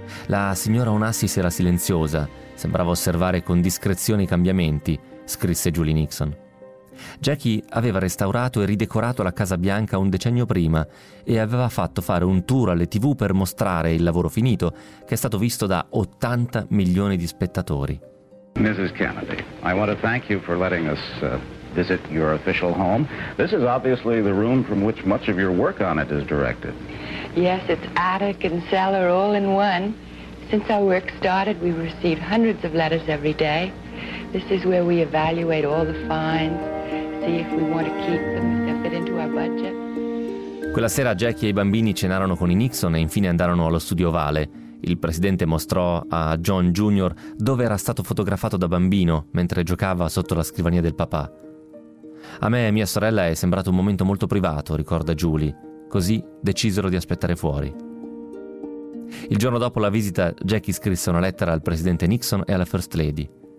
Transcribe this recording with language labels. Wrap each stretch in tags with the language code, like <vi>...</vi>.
<it>La signora Onassis era silenziosa, sembrava osservare con discrezione i cambiamenti, scrisse Julie Nixon. Jackie aveva restaurato e ridecorato la Casa Bianca un decennio prima e aveva fatto fare un tour alle TV per mostrare il lavoro finito che è stato visto da 80 milioni di spettatori.</it> <en>Mrs. Kennedy, I want to thank you for letting us visit your official home. This is obviously the room from which much of your work on it is directed. Yes, it's attic and cellar all in one. Since our work started, we receive hundreds of letters every day. This is where we evaluate all the finds, see if we want to keep them, if they fit into our budget.</en> <it>Quella sera Jackie e i bambini cenarono con i Nixon e infine andarono allo studio ovale. Il presidente mostrò a John Jr. dove era stato fotografato da bambino mentre giocava sotto la scrivania del papà. A me e mia sorella è sembrato un momento molto privato, ricorda Julie. Così decisero di aspettare fuori. Il giorno dopo la visita, Jackie scrisse una lettera al presidente Nixon e alla First Lady.</it>